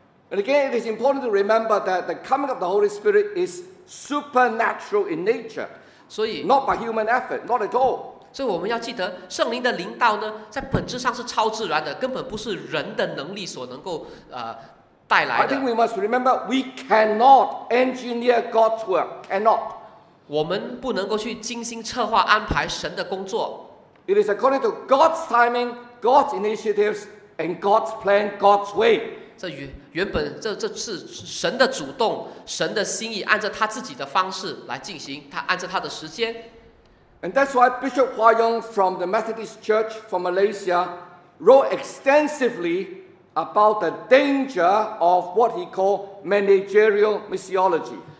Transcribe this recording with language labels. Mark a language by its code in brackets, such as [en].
[en] And again, it is important to remember that the coming of the Holy Spirit is supernatural in nature. [zh] 所以 [en] not by human effort, not at all. [zh] 所以我们要记得，圣灵的灵道呢，在本质上是超自然的，根本不是人的能力所能够带来的。 [en] I think we must remember we cannot engineer God's work. Cannot. [zh] 我们不能够去精心策划安排神的工作。 [en] It is according to God's timing, God's initiatives, and God's plan, God's way. [zh] 这原本这是神的主动，神的心意，按照他自己的方式来进行，他按照他的时间。 [en] And that's why Bishop Hua Yong from the Methodist Church from Malaysia wrote extensively about the danger of what he called managerial missiology.